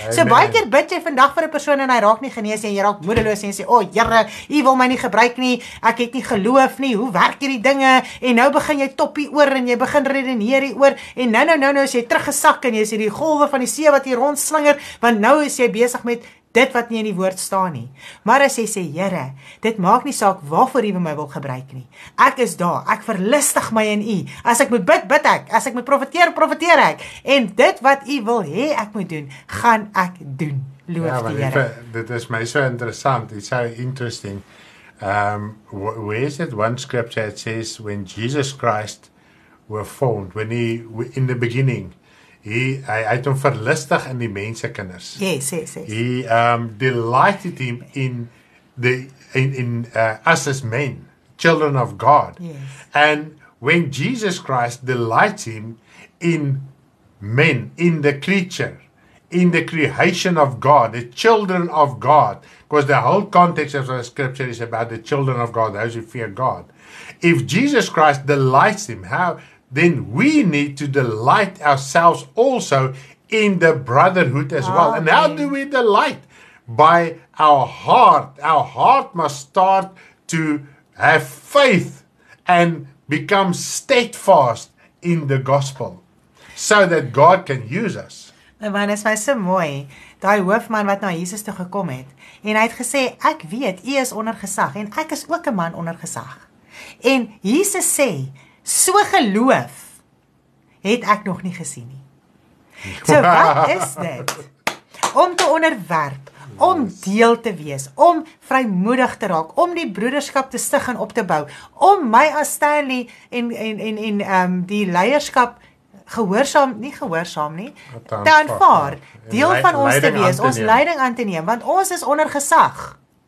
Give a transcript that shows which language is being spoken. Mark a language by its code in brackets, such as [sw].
[af] So baie keer bid jy vandag vir 'n persoon en hy raak nie genees en jy raak moedeloos en sê, o, Here, U wil my nie gebruik nie, ek het nie geloof nie, hoe werk hierdie dinge, en nou begin jy toppie oor en jy begin redeneer hier oor, en nou is jy teruggesak en jy sien die golwe van die see wat hier rond slinger, want nou is jy besig met dit wat nie in die woord staan nie. Maar as jy sê, Here, dit maak nie saak waarvoor U my wil gebruik nie. Ek is daar, ek verlustig my in U. As ek moet bid, bid ek. As ek moet profeteer, profeteer ek. En dit wat U wil hê, ek moet doen, gaan ek doen. Loof ja, die Here. Dit is my so interessant, [en] it's so interesting. Where is it? One scripture that says, when Jesus Christ were formed, when He, in the beginning, [af] Hy het hom verlustig in die mense kinders. [en] Yes. He delighted him in us as men, children of God. Yes. And when Jesus Christ delights him in men, in the creature, in the creation of God, the children of God, because the whole context of the scripture is about the children of God, those who fear God. If Jesus Christ delights him, how then we need to delight ourselves also in the brotherhood as well. And how do we delight? By our heart. Our heart must start to have faith and become steadfast in the gospel so that God can use us. [af] Man, is my so mooi, die hoofman wat na Jesus toe gekom het, en hy het gesê, ek weet, U is onder gesag, en ek is ook 'n man onder gesag. En Jesus sê, so geloof het ek nog nie gesien nie. So wat is dit? Om te onderwerp, om deel te wees, om vrymoedig te raak, om die broederskap te stig en op te bou, om my as Stanley en die leierskap gehoorsaam nie, te aanvaar, deel van ons te wees, ons leiding aan te neem, want ons is onder gesag.